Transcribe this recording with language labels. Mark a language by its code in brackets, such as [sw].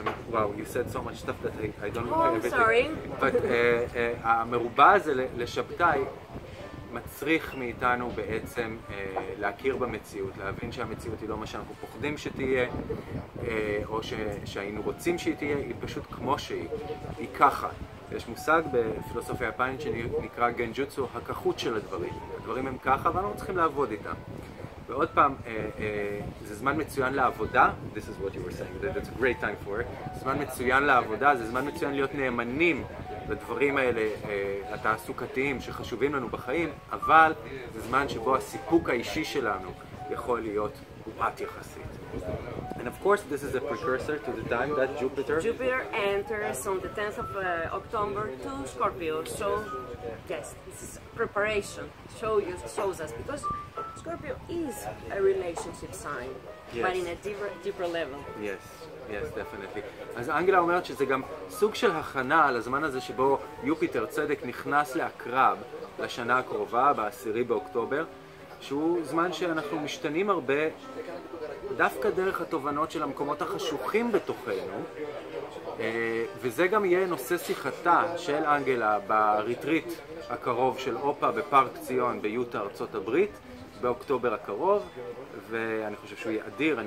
[en] וואו, you said so much stuff that I don't know. Oh, sorry. [he] But המרובע הזה לשבתאי מצריך מאיתנו בעצם להכיר במציאות, להבין שהמציאות היא לא מה שאנחנו פוחדים שתהיה, או שהיינו רוצים שהיא תהיה, היא פשוט כמו שהיא, היא ככה. יש מושג בפילוסופיה היפנית שנקרא גנג'וצו, הכחות של הדברים. הדברים הם ככה, אבל אנחנו צריכים לעבוד איתם. ועוד פעם, זה זמן מצוין לעבודה. [en] This is what you were saying, that's a great time for it. [he] זמן מצוין לעבודה, זה זמן מצוין להיות נאמנים לדברים האלה התעסוקתיים שחשובים לנו בחיים, אבל זה זמן שבו הסיפוק האישי שלנו יכול להיות קופת יחסית. [en] And of course, this is a precursor to the time that Jupiter enters on the 10th of October to Scorpio. So, yes, this is preparation, shows us, because Scorpio is a relationship sign, yes. But in a deeper level. Yes. Yes, definitely. [he] אז אנגלה אומרת שזה גם סוג של הכנה לזמן הזה שבו יופיטר צדק נכנס לעקרב לשנה הקרובה, ב-10 באוקטובר, שהוא זמן שאנחנו משתנים הרבה דווקא דרך התובנות של המקומות החשוכים בתוכנו, וזה גם יהיה נושא שיחתה של אנגלה בריטריט הקרוב של אופה בפארק ציון ביוטה ארצות הברית באוקטובר הקרוב, ואני חושב שהוא יהיה אדיר.